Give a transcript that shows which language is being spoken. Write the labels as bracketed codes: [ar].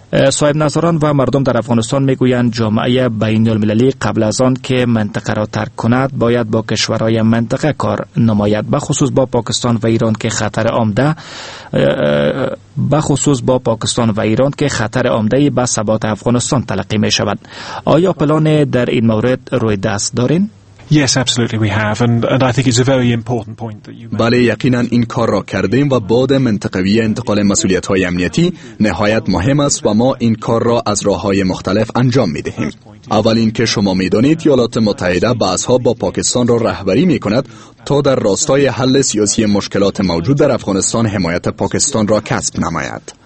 [fa] صاحب نظران و مردم در افغانستان میگویند جامعه بین المللی قبل از آن که منطقه را ترک کند باید با کشورهای منطقه کار نماید، بخصوص با پاکستان و ایران که خطر عمده به ثبات افغانستان تلقی می شود. آیا پلان در این مورد روی دست دارین؟ [en] Yes, absolutely we have and I think it's a very important point that you [fa] بله یقینا این کار را کردیم و بود منطقوی انتقال مسئولیت های امنیتی نهایت مهم است و ما این کار را از راه های مختلف انجام می دهیم. اولین که شما می دانید ایالات متحده بعضها با پاکستان را رهبری می کند تا در راستای حل سیاسی مشکلات موجود در افغانستان حمایت پاکستان را کسب نماید.